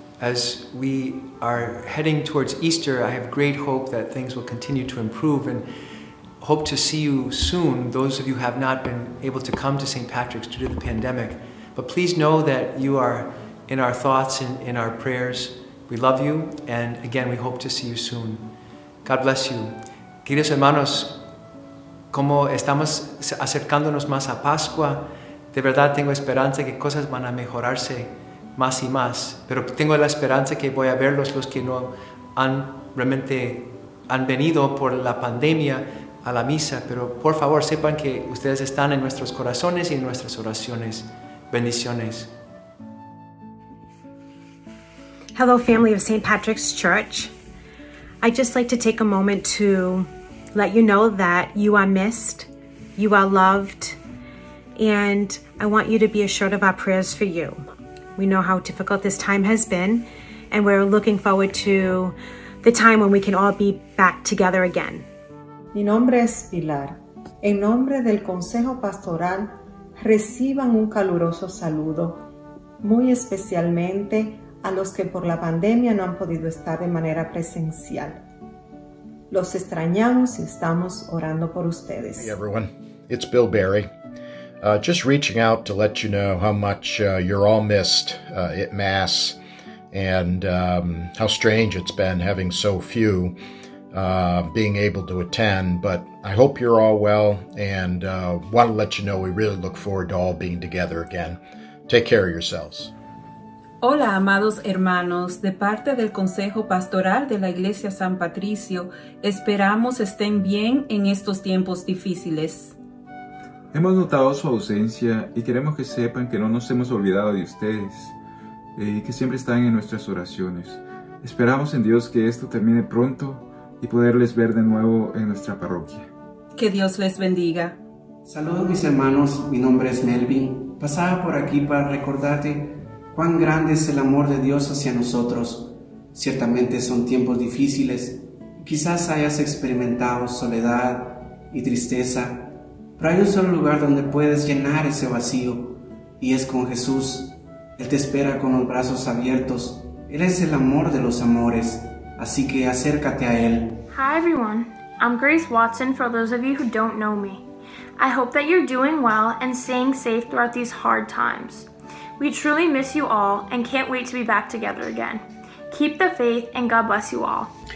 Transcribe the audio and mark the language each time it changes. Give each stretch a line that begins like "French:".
English: As we are heading towards Easter, I have great hope that things will continue to improve and hope to see you soon, those of you who have not been able to come to St. Patrick's due to the pandemic. But please know that you are in our thoughts and in our prayers. We love you, and again, we hope to see you soon. God bless you.
Spanish: Queridos hermanos, como estamos acercándonos más a Pascua, de verdad tengo esperanza que cosas van a mejorarse más y más. Pero tengo la esperanza que voy a verlos los que no han realmente han venido por la pandemia a la misa. Pero por favor sepan que ustedes están en nuestros corazones y en nuestras oraciones. Bendiciones.
English: Hello, family of St. Patrick's Church. I'd just like to take a moment to let you know that you are missed, you are loved, and I want you to be assured of our prayers for you. We know how difficult this time has been, and we're looking forward to the time when we can all be back together again.
Spanish: Mi nombre es Pilar. En nombre del Consejo Pastoral, reciban un caluroso saludo, muy especialmente a los que por la pandemia no han podido estar de manera presencial. Los extrañamos y estamos orando por ustedes.
English: Hey everyone, it's Bill Berry. Just reaching out to let you know how much you're all missed at Mass and how strange it's been having so few being able to attend. But I hope you're all well and want to let you know we really look forward to all being together again. Take care of yourselves.
Spanish: Hola, amados hermanos. De parte del Consejo Pastoral de la Iglesia San Patricio, esperamos estén bien en estos tiempos difíciles. Hemos notado su ausencia y queremos que sepan que no nos hemos olvidado de ustedes y que siempre están en nuestras oraciones. Esperamos en Dios que esto termine pronto y poderles ver de nuevo en nuestra parroquia. Que Dios les bendiga. Saludos, mis hermanos. Mi nombre es Melvin. Pasaba por aquí para recordarte cuán grande es el amor de Dios hacia nosotros. Ciertamente son tiempos difíciles. Quizás hayas experimentado soledad y tristeza, pero hay un solo lugar donde puedes llenar ese vacío, y es con Jesús. Él te espera con los brazos abiertos. Él es el amor de los amores, así que acércate a Él.
English: Hi everyone, I'm Grace Watson for those of you who don't know me. I hope that you're doing well and staying safe throughout these hard times. We truly miss you all and can't wait to be back together again. Keep the faith and God bless you all.